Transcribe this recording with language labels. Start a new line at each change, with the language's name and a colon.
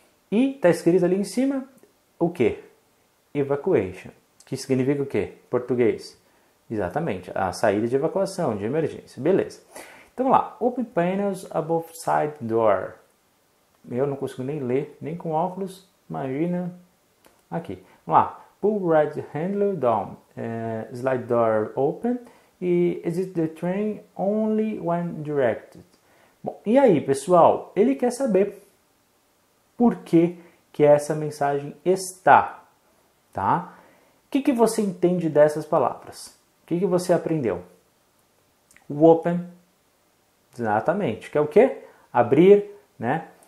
Portuguese: E tá escrito ali em cima o quê? Evacuation. Que significa o quê? Português. Exatamente. A saída de evacuação, de emergência. Beleza. Então, lá,
English: open panels above side door.
Portuguese: Eu não consigo nem ler, nem com óculos, imagina. Aqui, vamos lá.
English: Pull right handle down, slide door open, e exit the train only when directed.
Portuguese: Bom, e aí, pessoal? Ele quer saber por que essa mensagem está, tá? O que você entende dessas palavras? O que você aprendeu? O open, exatamente, que é o quê? Abrir, né?